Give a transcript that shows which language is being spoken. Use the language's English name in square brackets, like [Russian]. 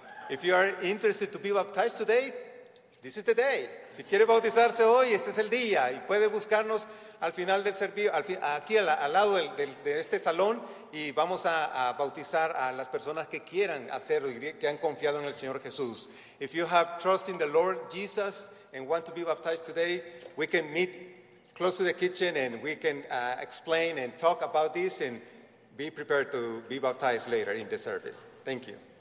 [English] If you are interested to be baptized today, this is the day. [Spanish] Si quiere bautizarse hoy, este es el día. Y puede buscarnos al final del servicio, aquí al lado de este salón, y vamos a bautizar a las personas que quieran hacerlo y que han confiado en el Señor Jesús. [English] If you have trust in the Lord Jesus and want to be baptized today, we can meet close to the kitchen and we can explain and talk about this and be prepared to be baptized later in the service. Thank you.